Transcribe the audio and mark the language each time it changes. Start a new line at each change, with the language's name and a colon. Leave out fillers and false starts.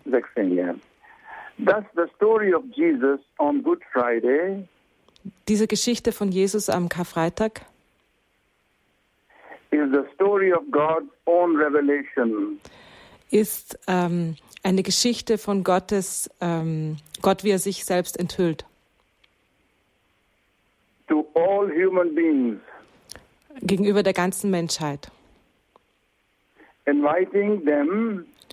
English: 16, yeah. That's the story of Jesus on Good Friday.
German: Diese Geschichte von Jesus am Karfreitag
English: is the story of God's own revelation.
German: Ist eine Geschichte von Gottes, Gott, wie er sich selbst enthüllt.
English: To all human beings.
German: Gegenüber der ganzen Menschheit.
English: Inviting them,